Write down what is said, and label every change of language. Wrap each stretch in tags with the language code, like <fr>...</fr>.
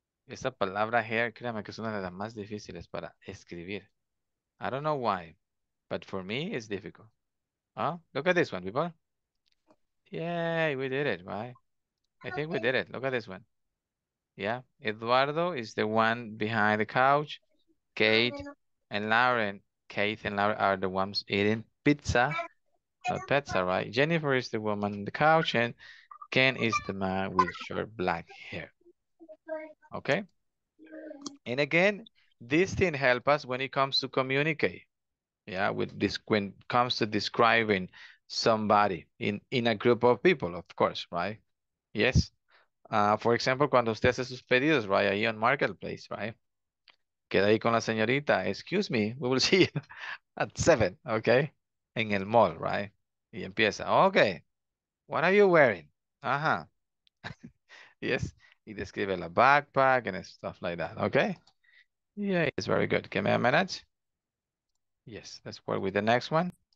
<es>Esta palabra hair, créame que es una de las más difíciles para escribir.</es> <en>I don't know why, but for me, it's difficult. Oh, look at this one, people. Yay, we did it, right? I think we did it. Look at this one. Yeah, Eduardo is the one behind the couch. Kate and Lauren. Kate and Lauren are the ones eating pizza. Pizza, right? Jennifer is the woman on the couch. And Ken is the man with short black hair. Okay? And again, this thing helps us when it comes to communicate. Yeah, with this, when it comes to describing somebody in a group of people, of course, right? Yes. For example,</en> <es>cuando usted hace sus pedidos,</es> <en>right,</en> <es>ahí</es> <en>on marketplace, right?</en> <es>Queda ahí con la señorita.</es> <en>Excuse me, we will see you at 7, okay?</en> <es>En el mall,</es> <en>right?</en> <es>Y empieza,</es> <en>okay, what are you wearing? Uh-huh. Yes,</en> <es>y describe la</es> <en>backpack and stuff like that, okay? Yeah, it's very good. Give me a minute. Yes, let's work with the next one.</en>